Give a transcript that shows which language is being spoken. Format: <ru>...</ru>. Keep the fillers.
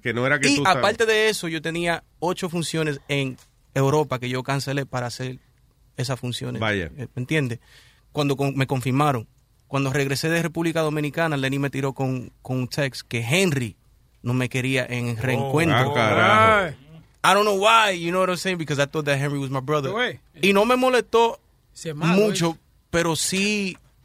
<es>Que no era que y tú aparte de eso, yo tenía ocho funciones en Europa que yo cancelé para hacer esas funciones. Vaya. ¿Me entiendes? Cuando me confirmaron cuando regresé de República Dominicana, Lenny me tiró con, con un text que Henry no me quería en reencuentro.</es> <en>¡Ah, oh, I don't know why, you know what I'm saying? Because I thought that Henry was my brother.</en> <es>No, y no me molestó mucho, pero sí.</es>